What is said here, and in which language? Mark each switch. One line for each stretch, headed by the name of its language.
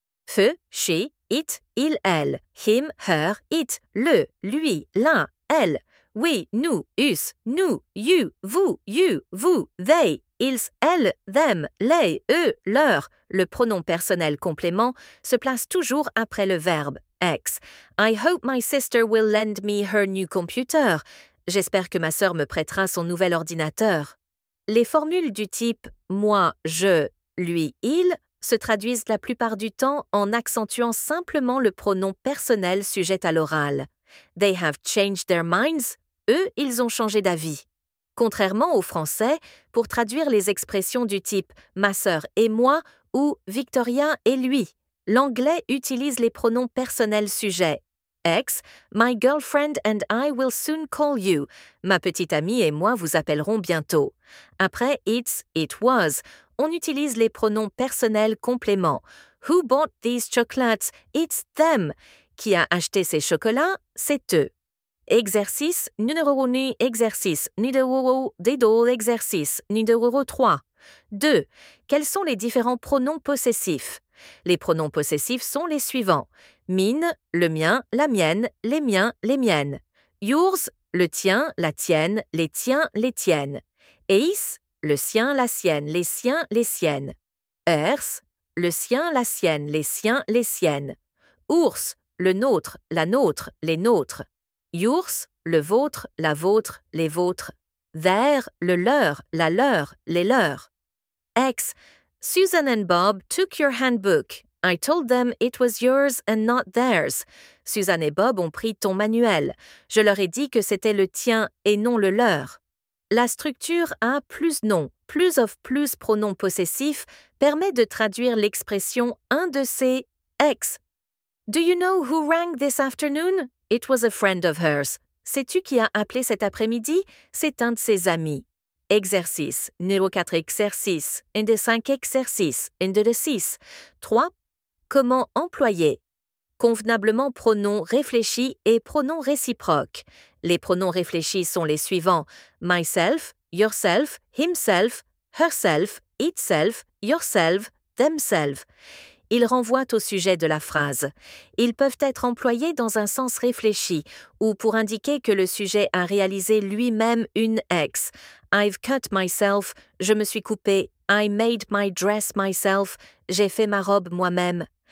English: Fe, she, it, il, elle. Him, her, it, le, lui, l'un, elle.
French: We, nous, us, nous, you, vous, they, ils, elles, them, they, eux, leur. Le pronom personnel complément se place toujours après le verbe, ex.
English: I hope my sister will lend me her new computer.
French: J'espère que ma sœur me prêtera son nouvel ordinateur. Les formules du type moi, je, lui, il se traduisent la plupart du temps en accentuant simplement le pronom personnel sujet à l'oral.
English: They have changed their minds.
French: Eux, ils ont changé d'avis. Contrairement au français, pour traduire les expressions du type « ma sœur et moi » ou « Victoria et lui », l'anglais utilise les pronoms personnels sujet.
English: Ex, my girlfriend and I will soon call you.
French: Ma petite amie et moi vous appellerons bientôt. Après it's, it was, on utilise les pronoms personnels complément.
English: Who bought these chocolates? It's them.
French: Qui a acheté ces chocolats? C'est eux. Exercice numéro 1, exercice numéro 2, exercice numéro 3. 2. Quels sont les différents pronoms possessifs? Les pronoms possessifs sont les suivants. Mine, le mien, la mienne, les miens, les miennes. Yours, le tien, la tienne, les tiens, les tiennes. Eis, le sien, la sienne, les siens, les siennes. Hers, le sien, la sienne, les siens, les siennes. Ours, le nôtre, la nôtre, les nôtres. Yours, le vôtre, la vôtre, les vôtres. Their, le leur, la leur, les leurs.
English: Ex, Susan and Bob took your handbook. I told them it was yours and not theirs.
French: Susan et Bob ont pris ton manuel. Je leur ai dit que c'était le tien et non le leur. La structure A plus nom, plus of plus pronom possessif permet de traduire l'expression un de ces ex.
English: Do you know who rang this afternoon? It was a friend of hers.
French: Sais-tu qui a appelé cet après-midi? C'est un de ses amis. Exercice. Numéro 4 exercice. Un de 5 exercice. Un de 6. 3. Comment employer? Convenablement pronom réfléchi et pronom réciproque. Les pronoms réfléchis sont les suivants.
English: Myself, yourself, himself, herself, itself, yourself, themselves.
French: Ils renvoient au sujet de la phrase. Ils peuvent être employés dans un sens réfléchi ou pour indiquer que le sujet a réalisé lui-même une ex.
English: I've cut myself,
French: je me suis coupé.
English: I made my dress myself,
French: j'ai fait ma robe moi-même.